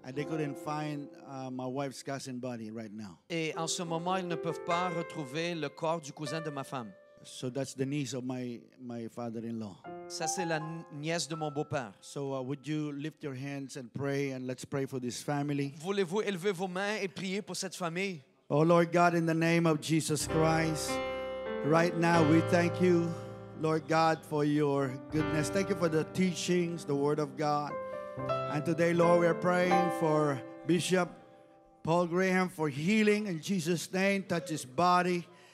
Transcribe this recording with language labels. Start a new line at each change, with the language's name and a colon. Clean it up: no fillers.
English: And they couldn't find my wife's cousin body right now.
French: Et en ce moment, ils ne peuvent pas retrouver le corps du cousin de ma femme.
English: So that's the niece of my father-in-law.
French: Ça c'est la nièce de mon beau-père.
English: So would you lift your hands and pray and let's pray for this family?
French: Voulez-vous élever vos mains et prier pour cette famille?
English: Oh Lord God, in the name of Jesus Christ, right now we thank you, Lord God, for your goodness. Thank you for the teachings, the word of God. And today, Lord, we are praying for Bishop Paul Graham for healing in Jesus' name. Touch his body.